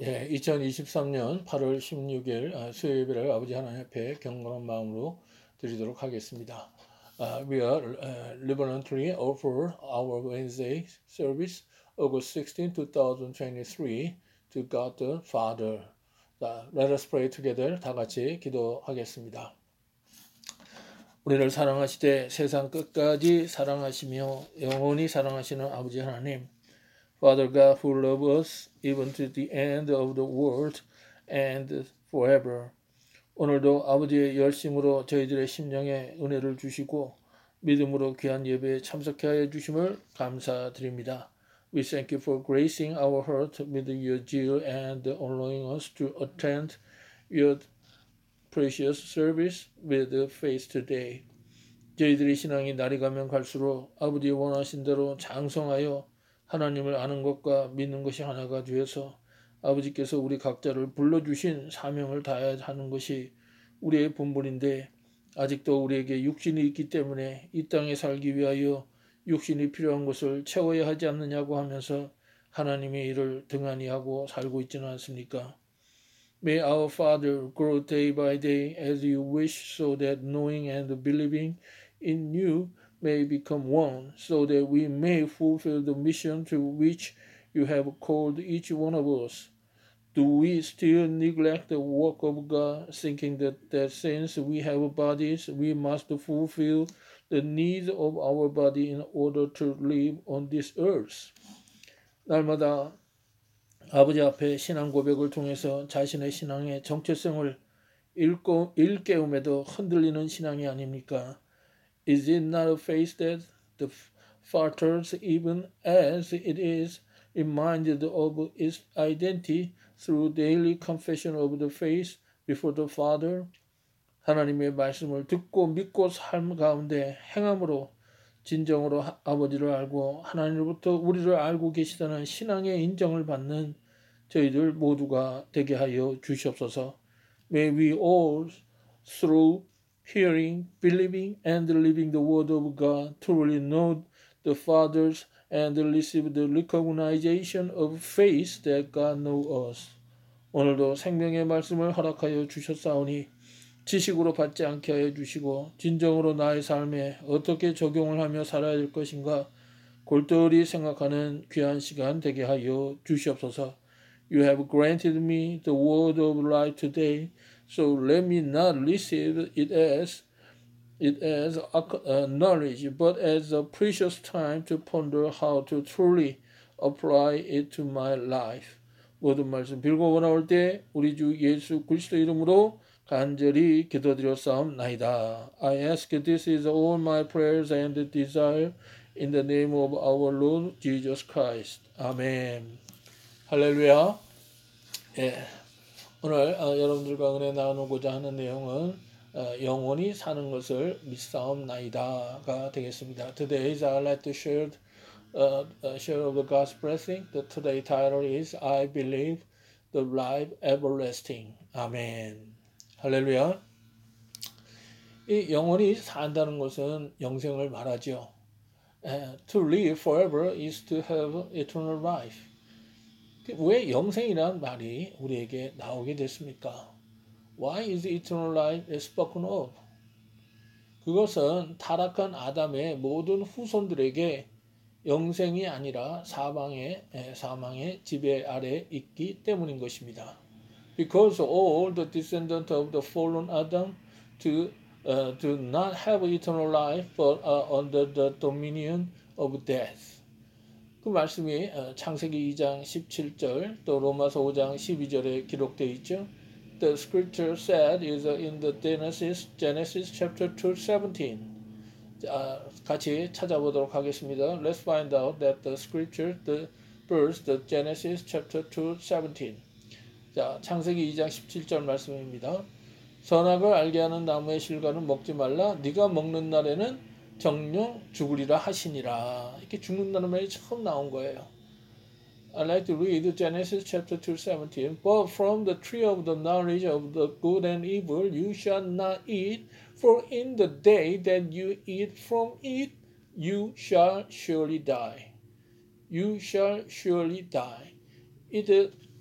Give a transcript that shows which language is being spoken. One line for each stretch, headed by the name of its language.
Korean: 예, 2023년 8월 16일 수요 예배를 아버지 하나님 앞에 경건한 마음으로 드리도록 하겠습니다.
English: We are liberally offer our Wednesday service August 16, 2023 to God the Father. Let us pray together.
Korean: 다 같이 기도하겠습니다. 우리를 사랑하시되 세상 끝까지 사랑하시며 영원히 사랑하시는 아버지 하나님,
English: Father God, who loves us even to the end of the world and forever.
Korean: 오늘도 아버지의 열심으로 저희들의 심령에 은혜를 주시고 믿음으로 귀한 예배에 참석해 주심을 감사드립니다.
English: We thank you for gracing our heart with your zeal and allowing us to attend your precious service with faith today.
Korean: 저희들의 신앙이 날이 가면 갈수록 아버지의 원하신 대로 장성하여 하나님을 아는 것과 믿는 것이 하나가 되어서 아버지께서 우리 각자를 불러주신 사명을 다해야 하는 것이 우리의 본분인데, 아직도 우리에게 육신이 있기 때문에 이 땅에 살기 위하여 육신이 필요한 것을 채워야 하지 않느냐고 하면서 하나님의 일을 등한히 하고 살고 있지는 않습니까?
English: May our Father grow day by day as you wish, so that knowing and believing in you may become one, so that we may fulfill the mission to which you have called each one of us. Do we still neglect the work of God, thinking that since we have bodies, we must fulfill the needs of our body in order to live on this earth?
Korean: 날마다 아버지 앞에 신앙 고백을 통해서 자신의 신앙의 정체성을 일깨움에도 흔들리는 신앙이 아닙니까?
English: Is it not a faith that the falters even as it is reminded of its identity through daily confession of the faith before the Father?
Korean: 하나님의 말씀을 듣고 믿고 삶 가운데 행함으로 진정으로 아버지를 알고 하나님으로부터 우리를 알고 계시다는 신앙의 인정을 받는 저희들 모두가 되게 하여 주시옵소서.
English: May we all through hearing, believing, and living the word of God, truly know the fathers and receive the recognition of faith that God knows us.
Korean: 오늘도 생명의 말씀을 허락하여 주셨사오니 지식으로 받지 않게 하여 주시고 진정으로 나의 삶에 어떻게 적용을 하며 살아야 될 것인가 골똘히 생각하는 귀한 시간 되게 하여 주시옵소서.
English: You have granted me the word of life today. So let me not receive it as knowledge, but as a precious time to ponder how to truly apply it to my life.
Korean: 모든 말씀 빌고 나올 때 우리 주 예수 그리스도 이름으로 간절히 기도드렸사옵나이다.
English: I ask this is all my prayers and desire in the name of our Lord Jesus Christ. Amen. Hallelujah. Yeah.
Korean: 오늘 여러분들과 은혜 나누고자 하는 내용은 영원히 사는 것을 믿사옵나이다가 되겠습니다.
English: Today I'd like to share of the God's blessing. The today title is I believe the life everlasting.
Korean: Amen. 할렐루야. 이 영원히 산다는 것은 영생을 말하죠.
English: To live forever is to have eternal life.
Korean: 왜 영생이란 말이 우리에게 나오게 됐습니까?
English: Why is eternal life spoken of?
Korean: 그것은 타락한 아담의 모든 후손들에게 영생이 아니라 사망의 지배 아래 있기 때문인 것입니다.
English: Because all the descendants of the fallen Adam do not have eternal life but are under the dominion of death.
Korean: 그 말씀이 창세기 2장 17절 또 로마서 5장 12절에 기록되어 있죠.
English: The scripture said is in the Genesis chapter 2:17.
Korean: 같이 찾아보도록 하겠습니다.
English: Let's find out that the scripture the verse the Genesis chapter 2:17.
Korean: 자, 창세기 2장 17절 말씀입니다. 선악을 알게 하는 나무의 실과는 먹지 말라. 네가 먹는 날에는 정녕 죽으리라 하시니라. 이렇게 죽는다는 말이 처음 나온 거예요.
English: I like to read Genesis chapter 2:17. But from the tree of the knowledge of the good and evil you shall not eat, for in the day that you eat from it you shall surely die. You shall surely die. It is